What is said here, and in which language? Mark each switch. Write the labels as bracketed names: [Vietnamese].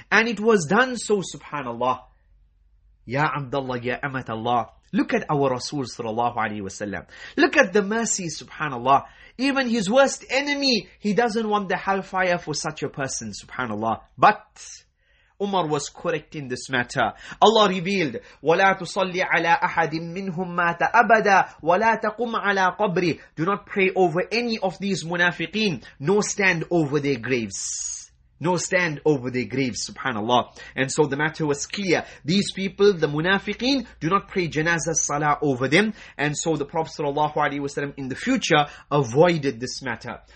[English] And it was done so, subhanallah. Ya Abdullah, Ya Amat Allah. Look at our Rasul sallallahu alayhi wa sallam. Look at the mercy, subhanallah. Even his worst enemy, he doesn't want the hellfire for such a person, subhanallah. But Umar was correct in this matter. Allah revealed, [Arabic] وَلَا تُصَلِّ عَلَىٰ أَحَدٍ مِّنْهُمْ مَاتَ أَبَدًا وَلَا تَقُمْ عَلَىٰ قَبْرِ. [English] Do not pray over any of these munafiqeen, nor stand over their graves. No stand over their graves, subhanallah. And so the matter was clear. These people, the munafiqeen, do not pray janazah salah over them. And so the Prophet sallallahu alayhi wasallam in the future avoided this matter.